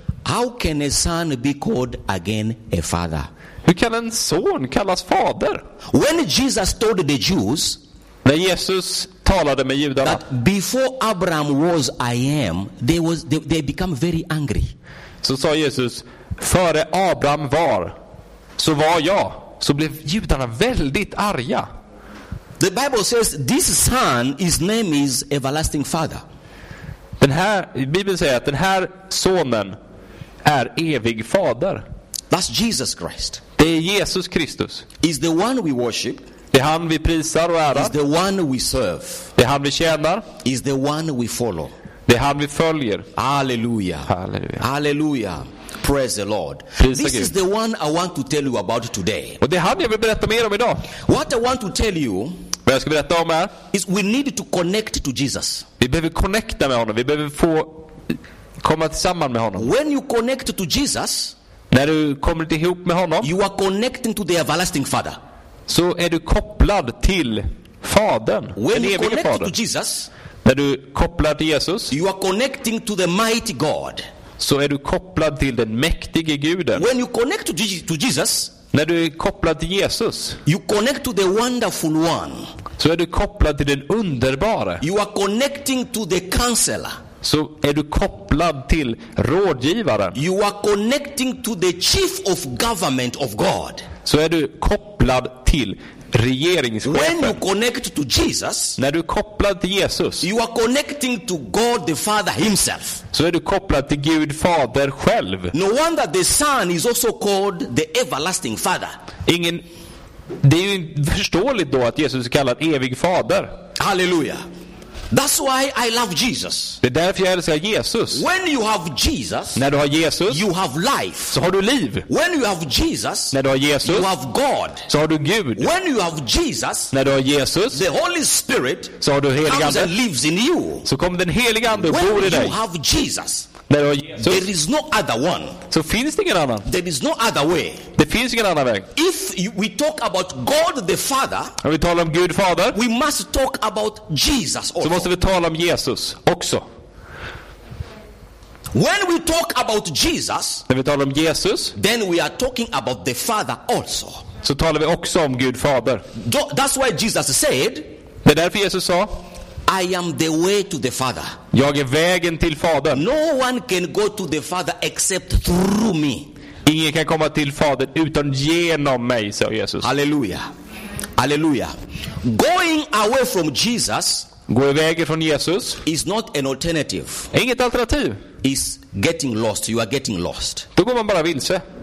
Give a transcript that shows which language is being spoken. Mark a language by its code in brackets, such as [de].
[en] How can a son be called again a father? [sv] Hur kan en son kallas fader? [en] When Jesus told the Jews, [sv] när Jesus talade med judarna, [en] that before Abraham was I am, they become very angry. [sv] Så sa Jesus, före Abraham var, så var jag. Så blev judarna väldigt arga. [en] The Bible says this son, his name is Everlasting Father. [sv] Den här, Bibeln säger att den här sonen är evig fader. [en] That's Jesus Christ. [sv] Det är Jesus Kristus. [en] Is the one we worship. [sv] Det är han vi prisar och ärar. [en] Is the one we serve. [sv] Det är han vi tjänar. [en] Is the one we follow. [sv] Det är han vi följer. [en] Halleluja. [sv] Halleluja. [en] Halleluja. Praise the Lord. [sv] Prisa [en] This [sv] Gud. [en] Is the one I want to tell you about today. [sv] Och det är han jag vill berätta mer om idag. [en] What I want to tell you, [sv] vad jag ska berätta om är, [en] is we need to connect to Jesus. [sv] Vi behöver connecta med honom. Vi behöver få komma tillsammans med honom. [en] When you connect to Jesus, [sv] när du kommer till ihop med honom, [en] you are connecting to the everlasting Father. [sv] Så är du kopplad till Fadern. [en] When you connect [sv] fadern. [en] To Jesus, [sv] när du kopplar till Jesus, [en] you are connecting to the mighty God. [sv] Så är du kopplad till den mäktige Guden. [en] When you connect to Jesus, [sv] när du är kopplad till Jesus, [en] you connect to the wonderful one. [sv] Så är du kopplad till den underbara. [en] You are connecting to the counselor. [sv] så är du kopplad till rådgivaren. [en] You are connecting to the chief of government of God. [sv] Så är du kopplad till regeringschefen. [en] When you connect to Jesus, [sv] när du är kopplad till Jesus, [en] you are connecting to God the Father himself. [sv] Så är du kopplad till Gud Fader själv. [en] No wonder the Son is also called the everlasting Father. [sv] Ingen, det är ju förståeligt då att Jesus är kallad evig fader. [en] Halleluja. That's why I love Jesus. [sv] Det är därför jag älskar Jesus. [en] When you have Jesus, [sv] när du har Jesus, [en] you have life. [sv] Så har du liv. [en] When you have Jesus, [sv] när du har Jesus, [en] you have God. [sv] Så har du Gud. [en] When you have Jesus, [sv] när du har Jesus, [en] the Holy Spirit, [sv] så har du helig ande, [en] lives in you. [sv] Så kommer den helige ande och bor i dig. [en] When you have Jesus, [sv] när du har Jesus, [en] there is no other one. [sv] Så finns det ingen annan. [en] There is no other way. [sv] Det finns ingen annan väg. [en] If we talk about God the Father, [sv] när vi talar om Gud Fader, [en] we must talk about Jesus also. [sv] Så måste vi tala om Jesus också. [en] When we talk about Jesus, [sv] när vi talar om Jesus, [en] then we are talking about the Father also. [sv] Så talar vi också om Gud Fader. [en] That's why Jesus said, [sv] det är därför Jesus sa, [en] I am the way to the Father. [sv] Jag är vägen till Fadern. [en] No one can go to the Father except through me. [sv] Ingen kan komma till Fadern utan genom mig, sa Jesus. [en] Halleluja. Halleluja. Going away from Jesus, [sv] gå iväg från Jesus, [en] is not an alternative. [sv] Inget alternativ. [en] Is getting lost. You are getting lost. [sv] Då går man bara vilse.